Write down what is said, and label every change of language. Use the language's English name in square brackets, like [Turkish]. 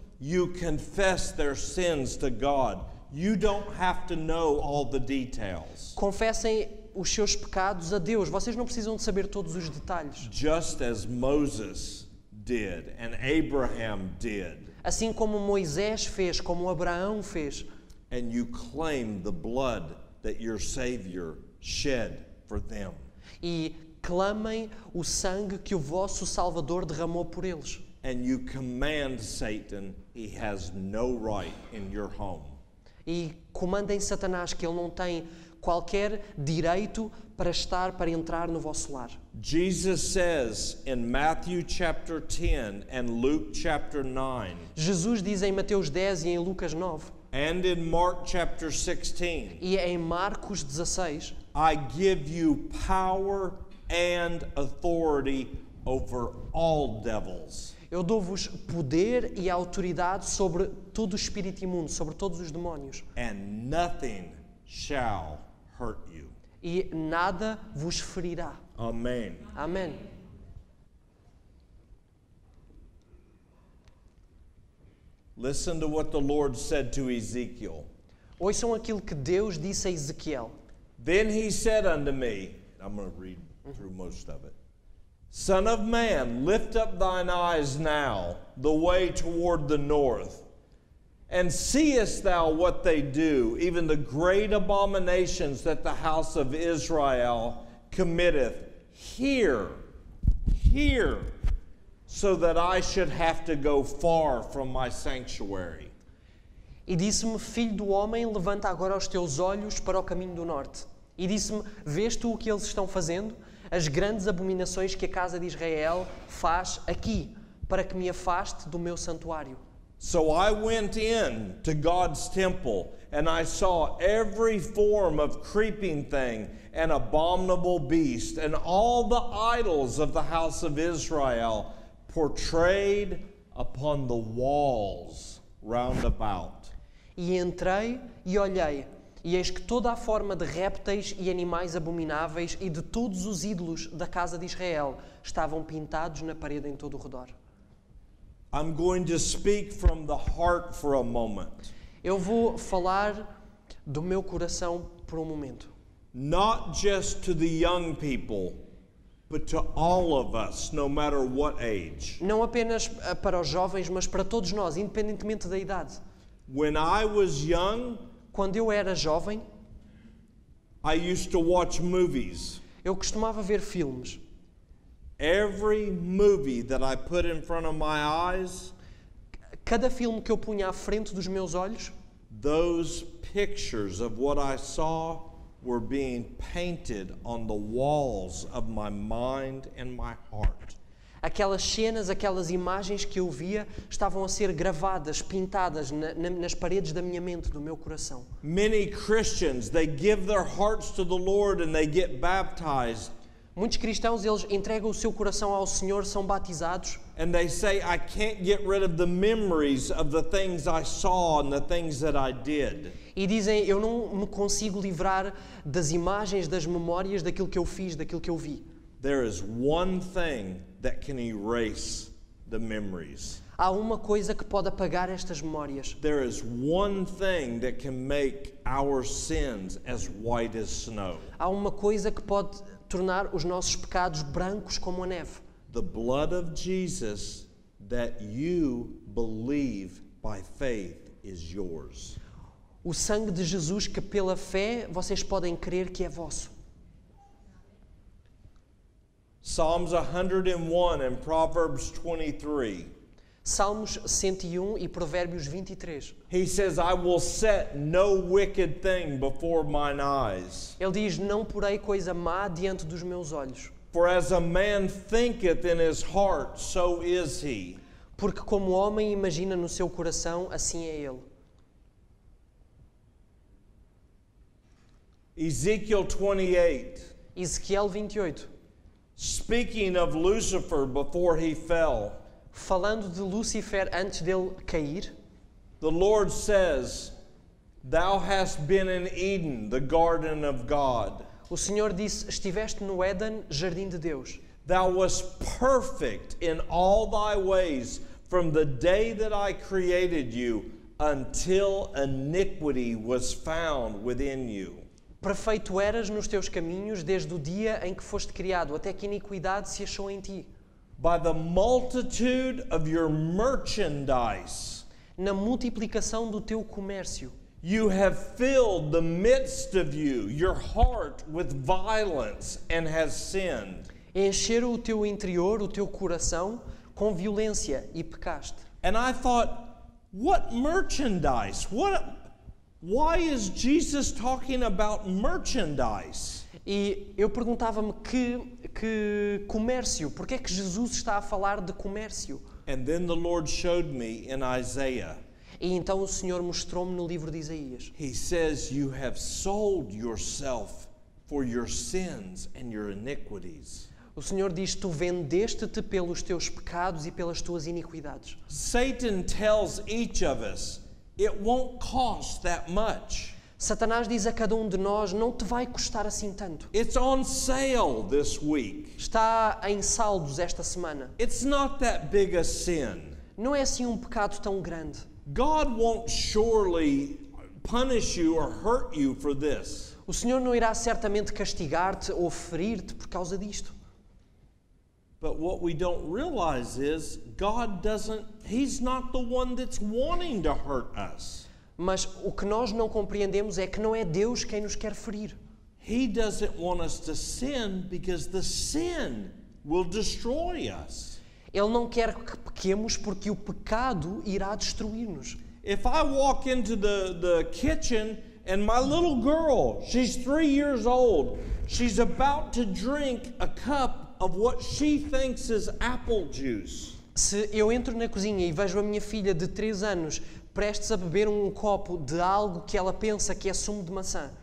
[English] You confess their sins to God. You don't have to know all the details. [Portuguese] Confessem os seus pecados a Deus. Vocês não precisam de saber todos os detalhes. [English] Just as Moses did and Abraham did. [Portuguese] Assim como Moisés fez, como Abraão fez. [English] And you claim the blood that your Savior shed for them. [Portuguese] E clamem o sangue que o vosso Salvador derramou por eles. [English] And you command Satan, he has no right in your home. [Portuguese] E comandem Satanás que ele não tem qualquer direito para estar, para entrar no vosso lar. [English] Jesus says in Matthew chapter 10 and Luke chapter 9. [Portuguese] Jesus diz em Mateus 10 e em Lucas 9. [English] And in Mark chapter 16. [Portuguese] E em Marcos 16. [English] I give you power and authority over all devils. [Portuguese] Eu dou-vos poder e autoridade sobre todo o espírito imundo, sobre todos os demónios. [English] And nothing shall hurt you. [Portuguese] E nada vos ferirá. Amém. Amém. [English] Listen to what the Lord said to Ezekiel. [Portuguese] Ouçam aquilo que Deus disse a Ezequiel. [English] Then he said unto me, I'm going to read through most of it. Son of man, lift up thine eyes now the way toward the north, and seest thou what they do, even the great abominations that the house of Israel committeth here, here, so that I should have to go far from my sanctuary. [Portuguese] E disse-me, filho do homem, levanta agora os teus olhos para o caminho do norte. E disse-me, vês tu o que eles estão fazendo? As grandes abominações que a casa de Israel faz aqui, para que me afaste do meu santuário. [English] So I went in to God's temple, and I saw every form of creeping thing, and abominable beast, and all the idols of the house of Israel portrayed upon the walls round about. [Portuguese] E entrei e olhei, e eis que toda a forma de répteis e animais abomináveis e de todos os ídolos da casa de Israel estavam pintados na parede em todo o redor. [English] I'm going to speak from the heart for a moment. [Portuguese] Eu vou falar do meu coração por um momento. [English] Not just to the young people, but to all of us, no matter what age. [Portuguese] Não apenas para os jovens, mas para todos nós, independentemente da idade. [English] When I was young, [Portuguese] quando eu era jovem, [English] I used to watch movies. [Portuguese] Eu costumava ver filmes. [English] Every movie that I put in front of my eyes, [Portuguese] cada filme que eu punha à frente dos meus olhos, [English] those pictures of what I saw were being painted on the walls of my mind and my heart. [Portuguese] Aquelas cenas, aquelas imagens que eu via estavam a ser gravadas, pintadas nas paredes da minha mente, do meu coração. [English] Many Christians, they give their hearts to the Lord and they get baptized. [Portuguese] Muitos cristãos, eles entregam o seu coração ao Senhor, são batizados. [English] And they say, I can't get rid of the memories of the things I saw and the things that I did. [Portuguese] E dizem, eu não me consigo livrar das imagens, das memórias, daquilo que eu fiz, daquilo que eu vi. [English] There is one thing that can erase the memories. [Portuguese] Há uma coisa que pode apagar estas memórias. [English] There is one thing that can make our sins as white as snow. [Portuguese] Há uma coisa que pode tornar os nossos pecados brancos como a neve. [English] The blood of Jesus that you believe by faith is yours. [Portuguese] O sangue de Jesus que pela fé vocês podem crer que é vosso. [English] Psalms 101 and Proverbs 23. [Portuguese] Salmos 101 e Provérbios 23. [English] He says, I will set no wicked thing before mine eyes. [Portuguese] Ele diz, não porei coisa má diante dos meus olhos. [English] For as a man thinketh in his heart, so is he. [Portuguese] Porque como o homem imagina no seu coração, assim é ele. [English] Ezekiel 28. [Portuguese] Ezequiel 28. [English] Speaking of Lucifer before he fell. [Portuguese] Falando de Lúcifer antes dele cair. [English] The Lord says, thou hast been in Eden, the garden of God. [Portuguese] O Senhor disse, estiveste no Éden, jardim de Deus. [English] Thou wast perfect in all thy ways from the day that I created you until iniquity was found within you. [Portuguese] Perfeito eras nos teus caminhos desde o dia em que foste criado até que iniquidade se achou em ti. [English] By the multitude of your merchandise, [Portuguese] na multiplicação do teu comércio, [English] you have filled the midst of you, your heart, with violence and has sinned. [Portuguese] Encheram o teu interior, o teu coração, com violência e pecaste. [English] And I thought, what merchandise? Why is Jesus talking about merchandise? [Portuguese] E eu perguntava-me que comércio, porque é que Jesus está a falar de comércio? [English] And then the Lord showed me in Isaiah. [Portuguese] E então o Senhor mostrou-me no livro de Isaías. [English] He says, you have sold yourself for your sins and your iniquities. [Portuguese] O Senhor diz, tu vendeste-te pelos teus pecados e pelas tuas iniquidades. [English] Satan tells each of us, it won't cost that much. [Portuguese] Satanás diz a cada um de nós, não te vai custar assim tanto. [English] It's on sale this week. [Portuguese] Está em saldos esta semana. [English] It's not that big a sin. [Portuguese] Não é assim um pecado tão grande. [English] God won't surely punish you or hurt you for this. [Portuguese] O Senhor não irá certamente castigar-te ou ferir-te por causa disto. [English] But what we don't realize is God doesn't, he's not the one that's wanting to hurt us. [Portuguese] Mas o que nós não compreendemos é que não é Deus quem nos quer ferir. [English] He doesn't want us to sin because the sin will destroy us. [Portuguese] Ele não quer que pequemos porque o pecado irá destruir-nos. [English] If I walk into the kitchen and my little girl, she's 3 years old, she's about to drink a cup of what she thinks is apple juice. [Portuguese] Se eu entro na cozinha e vejo a minha filha de 3 anos prestes a beber um copo de algo que ela pensa que é sumo de maçã.